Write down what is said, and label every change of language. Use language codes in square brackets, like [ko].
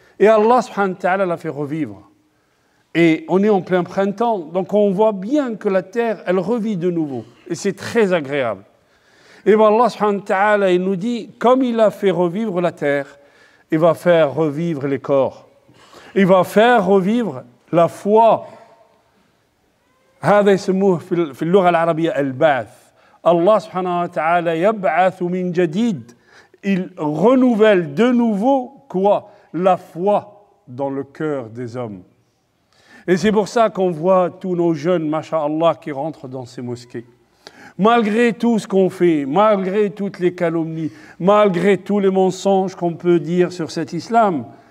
[fr] Et Allah subhanahu wa ta'ala l'a fait revivre. Et on est en plein printemps, donc on voit bien que la terre, elle revit de nouveau. Et c'est très agréable. Et bien Allah subhanahu wa ta'ala, il nous dit, comme il a fait revivre la terre, il va faire revivre les corps. Il va faire revivre la foi. [ar] هذا يسموه في اللغة العربية البعث. الله سبحانه وتعالى يبعث من جديد. [fr] Il renouvelle de nouveau quoi? La foi dans le cœur des hommes. Et c'est pour ça qu'on voit tous nos jeunes, masha'Allah, qui rentrent dans ces mosquées. Malgré tout ce qu'on fait, malgré toutes les calomnies, malgré tous les mensonges qu'on peut dire sur cet islam.